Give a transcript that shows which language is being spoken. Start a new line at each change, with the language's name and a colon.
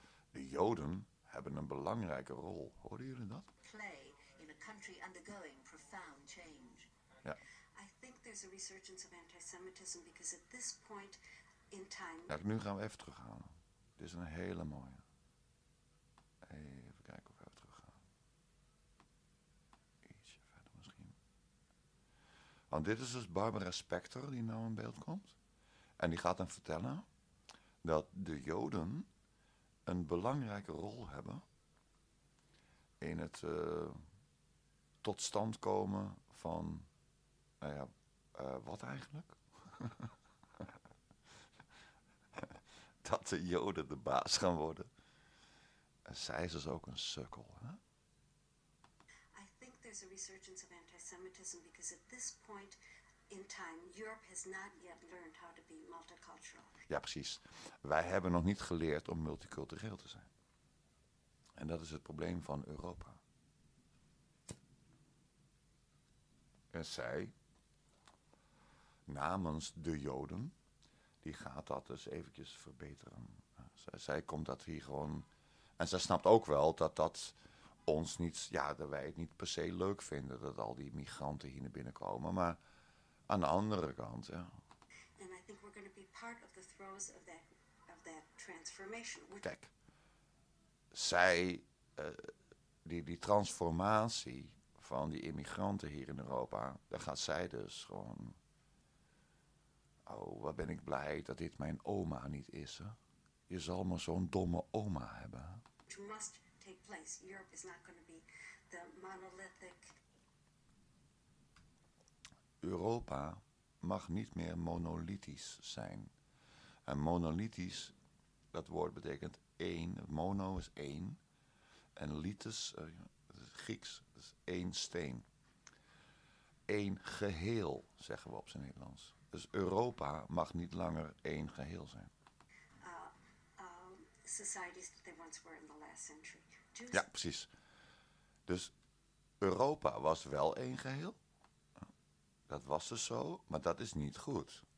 Dutch: De Joden hebben een belangrijke rol. Hoorden jullie dat?
English: Play in a country undergoing profound change.
Dutch: Ja.
English: I think there's a resurgence of anti-Semitism because at this point in time.
Dutch: Ja, nu gaan we even teruggaan. Dit is een hele mooie. Even kijken of we even teruggaan. Ietsje verder misschien. Want dit is dus Barbara Spector die nou in beeld komt. En die gaat dan vertellen dat de Joden een belangrijke rol hebben in het tot stand komen van, nou ja, wat eigenlijk? Dat de Joden de baas gaan worden. En zij is dus ook een sukkel, hè?
English: I think there's a resurgence of anti-Semitism because at this point in time Europe has not yet learned how to be multicultural.
Dutch: Ja, precies. Wij hebben nog niet geleerd om multicultureel te zijn. En dat is het probleem van Europa. En zij, namens de Joden, die gaat dat dus eventjes verbeteren. Zij komt dat hier gewoon. En zij snapt ook wel dat ons niet, ja, dat wij het niet per se leuk vinden dat al die migranten hier naar binnen komen. Maar aan de andere kant, ja.
English: And I think we're going to be part of the throes of that transformation.
Dutch: Kijk, zij, die transformatie van die immigranten hier in Europa, daar gaat zij dus gewoon, oh, wat ben ik blij dat dit mijn oma niet is, hè? Je zal maar zo'n domme oma hebben.
English: It must take place. Europe is not going to be the monolithic.
Dutch: Europa mag niet meer monolithisch zijn. En monolithisch, dat woord betekent één. Mono is één. En lithos, dat is Grieks, dat is één steen. Eén geheel, zeggen we op zijn Nederlands. Dus Europa mag niet langer één geheel zijn.
English: Societies that they once were in the last century.
Dutch: Jews. Ja, precies. Dus Europa was wel één geheel. Dat was dus zo, maar dat is niet goed.